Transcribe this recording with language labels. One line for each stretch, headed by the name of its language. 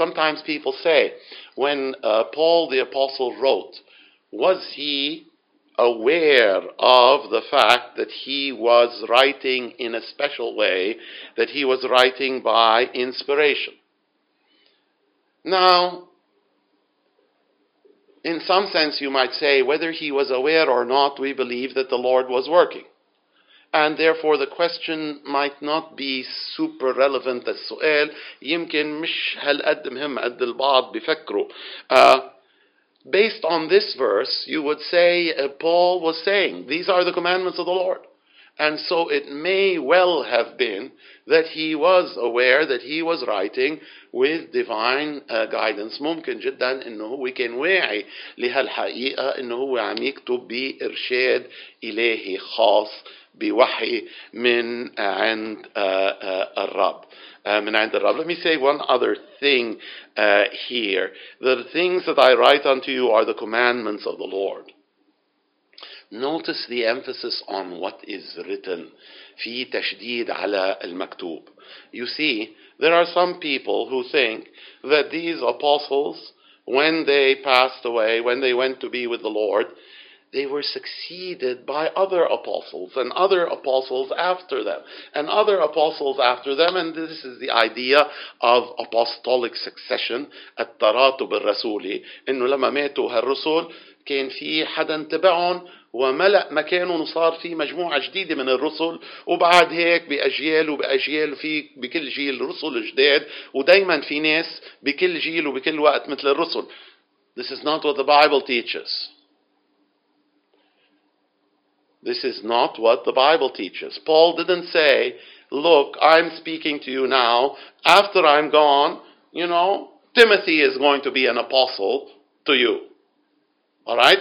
English: Sometimes people say, when Paul the Apostle wrote, was he aware of the fact that he was writing in a special way, that he was writing by inspiration? Now, in some sense, you might say, whether he was aware or not, we believe that the Lord was working. And therefore, the question might not be super relevant.
Arabic: السؤال يمكن مش هل قد مهم قد البعض بيفكروا.
English: Based on this verse, you would say, Paul was saying, these are the commandments of the Lord. And so it may well have been that he was aware that he was writing with divine guidance.
Arabic: ممكن جدا انه هو كان واعي لهالحقيقة انه هو عم يكتب بإرشاد إلهي خاص بوحي من عند الرب. من عند الرب.
English: Let me say one other thing here. The things that I write unto you are the commandments of the Lord. Notice the emphasis on what is written.
Arabic: في تشديد على المكتوب.
English: You see, there are some people who think that these apostles, when they passed away, when they went to be with the Lord, they were succeeded by other apostles and other apostles after them and other apostles after them. And this is the idea of apostolic succession,
Arabic: التراتب الرسولي. إنه لما ماتوا هالرسول كان في حدا تبعهم وملأ مكانه وصار في مجموعة جديدة من الرسل وبعد هيك بأجيال وبأجيال في بكل جيل رسل جداد ودايما في ناس بكل جيل وبكل وقت مثل الرسل.
English: This is not what the Bible teaches. This is not what the Bible teaches. Paul didn't say, look, I'm speaking to you now. After I'm gone, you know, Timothy is going to be an apostle to you. All right?